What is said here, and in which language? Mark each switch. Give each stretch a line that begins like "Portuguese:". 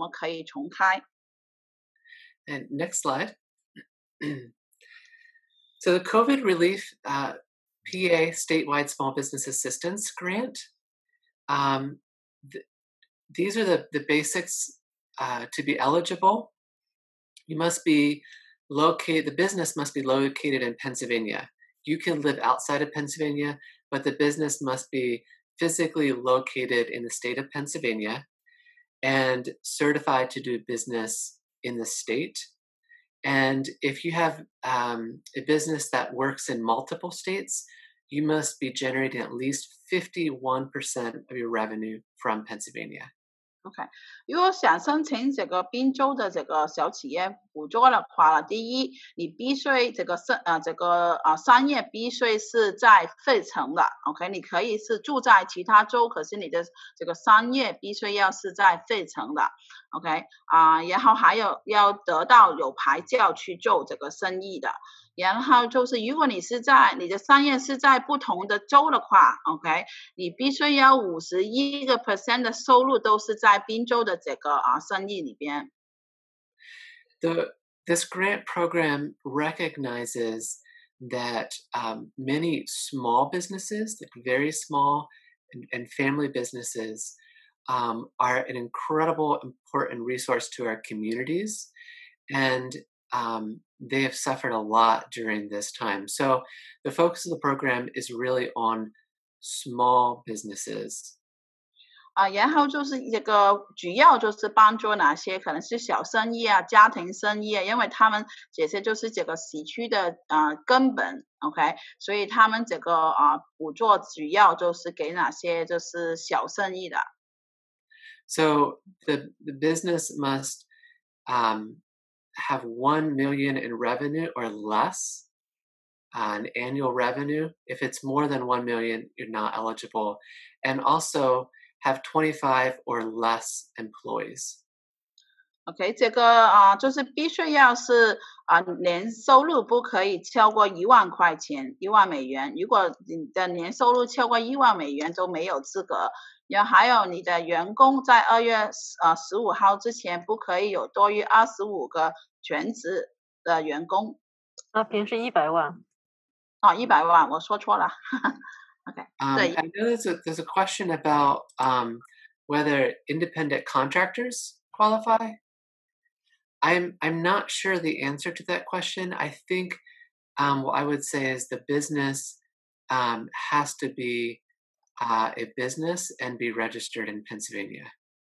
Chinese: 他说过去因为疫情的话，他们就是帮助那些小企业，就是去怎么可以拿到，就是怎么可以去拿到这些补助，有什么资源啊，怎么可以拿到这些补助，然后就是可以让他的这个小企业可以再继续下去，然后也是现在因为重开了，也是帮助这些小企业怎么可以重开。
English: And next slide. So the COVID relief PA statewide small business assistance grant, these are the basics to be eligible. You must be located, the business must be located in Pennsylvania. You can live outside of Pennsylvania, but the business must be physically located in the state of Pennsylvania and certified to do business in the state. And if you have a business that works in multiple states, you must be generating at least 51% of your revenue from Pennsylvania. Okay.
Chinese: 如果想申请这个宾州的这个小企业补助的话，第一，你必须这个商业必须是在费城的。Okay. 你可以是住在其他州，可是你的这个商业必须要是在费城的。 OK, 然后还有要得到有牌照去做这个生意的。然后就是如果你是在你的商业是在不同的州的话 ,OK, 你必须要 51% 的收入都是在宾州的这个生意里边。
English: This grant program recognizes that many small businesses, like very small and family businesses, are an incredible, important resource to our communities. And they have suffered a lot during this time. So the focus of the program is really on small businesses.
Chinese: 然后就是这个主要就是帮助哪些可能是小生意啊家庭生意啊因为他们这些就是这个时区的根本 OK 所以他们这个补助主要就是给哪些就是小生意的
English: So the business must have $1 million in revenue or less an annual revenue if it's more than $1 million you're not eligible and alsohave 25 or less employees.
Chinese: Okay, 这个就是必须要是年收入不可以超过$10,000,$10,000。如果你的年收入超过$10,000都没有资格。然后还有你的员工在2月15号之前不可以有多于25个全职的员工。那平时100万。哦,100万我说错了。
English: Okay. I know there's a question about whether independent contractors qualify. I'm not sure the answer to that question. I think what I would say is the business has to be a business and be registered in Pennsylvania.